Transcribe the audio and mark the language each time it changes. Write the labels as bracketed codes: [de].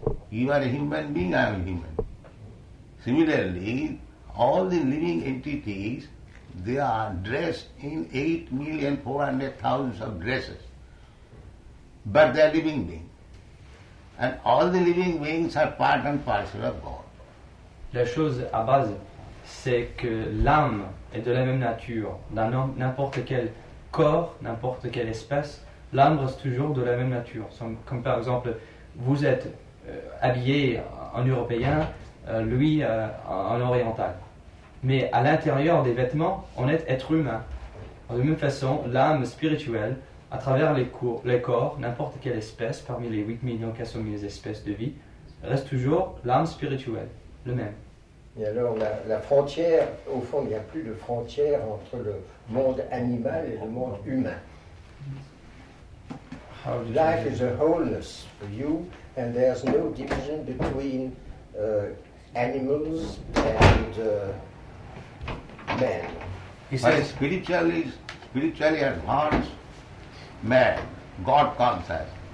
[en] You are a human being, I am a human. Similarly, all the living entities, they are dressed in 8,400,000 of dresses. But they are living beings. And all the living beings are part and parcel of God. [fr] La chose à base, c'est que l'âme est de la même nature. Dans n'importe quel corps, n'importe quelle espèce, l'âme reste toujours de la même nature. Comme par exemple, vous êtes habillé en européen, lui en oriental. mais à l'intérieur des vêtements, on est être humain. De la même façon, l'âme spirituelle, à travers les corps, n'importe quelle espèce, parmi les 8 millions 400 000 espèces de vie, reste toujours l'âme spirituelle, le même. Et alors, la frontière, au fond, il n'y a plus de frontière entre le monde animal et le monde humain. [en] Life is a wholeness for you, and there's no division between animals and men. But spiritually advanced man, God comes as.